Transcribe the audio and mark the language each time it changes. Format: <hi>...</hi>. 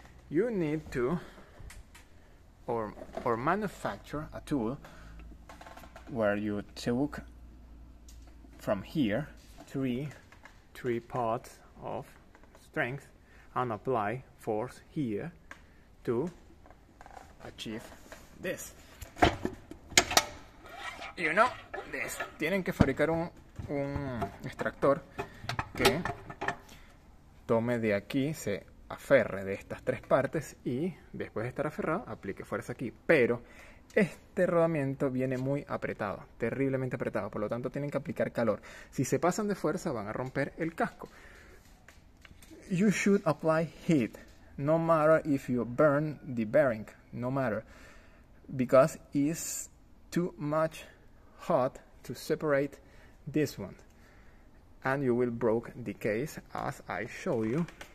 <en>You need to or manufacture a tool where you took from here three parts of strength and apply force here to achieve this. You know this.</en> <es>Tienen que fabricar un extractor que tome de aquí, se aferre de estas tres partes y después de estar aferrado aplique fuerza aquí. Pero este rodamiento viene muy apretado, terriblemente apretado, por lo tanto tienen que aplicar calor. Si se pasan de fuerza van a romper el casco.</es> <en>You should apply heat, no matter if you burn the bearing, no matter, because it's too much hot to separate this one, and you will broke the case as I show you.</en>